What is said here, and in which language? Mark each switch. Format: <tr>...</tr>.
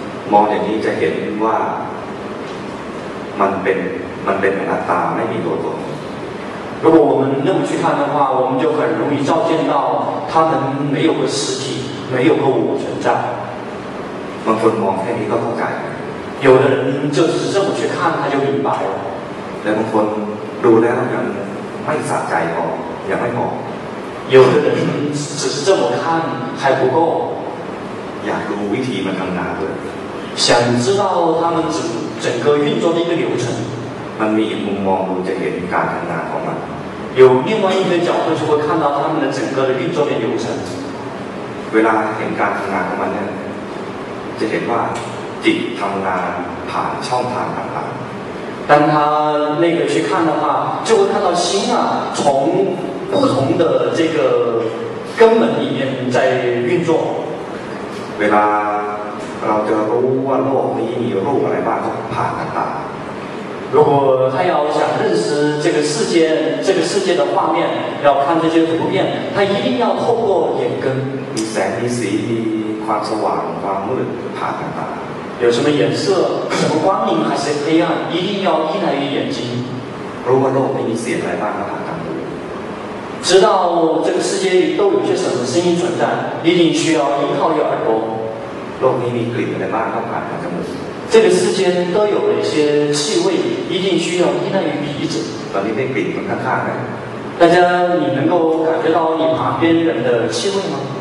<zh>望这里就见哇。</zh> <th>มันเป็นอนัตตาไม่มีตัวตน</th> <zh>如果我们那么去看的话我们就很容易照见到他们没有个实体没有个我存在</zh> <th>บางคนมองแค่นี้ก็เข้าใจ</th> <zh>有的人就是这么去看他就明白了</zh> <th>แต่บางคนดูแล้วยังไม่สะใจพอยังไม่พ</th> <zh>อ有的人只是这么看还不够</zh> <th>อยากรู้วิธีมันทำงานด้วย</th> <zh>想知道他们整个运作的一个流程</zh> <th>มันมีอีกมุมมองดูจะเห็นการทำงานของมัน</th> <zh>有另外一个角度就会看到他们的整个的运作的流程</zh> <th>เวลาเห็นการทำงานของมันเนี่ยจะเห็นว่าจิตทำงานผ่านช่องทางต่าง</th> <zh>ๆ当他那个去看的话就会看到心啊从不同的这个根本里面在运作</zh> <th>เวลาเราจะรู้ว่าโลกนี้มีรูปอะไรบ้างผ่านตา</th> <zh>如果他要想认识这个世界的画面要看这些图片他一定要透过眼根</zh> <th>มีแสงมีสีมีความสว่างความมืดผ่านตา</th> <zh>有什么颜色什么光明还是黑暗一定要依赖于眼睛</zh> <th>รู้ว่าโลกนี้มีเสียงอะไรบ้างผ่านตา</th> <zh>知道这个世界里都有些什么声音存在一定需要依靠于耳朵</zh> <th>โลกนี้มีกลิ่นอะไรบ้างผ่านตา</th> <zh>这个世间都有一些气味，一定需要依赖于鼻子。把你那鼻子看看呢？大家，你能够感觉到你旁边人的气味吗？</zh>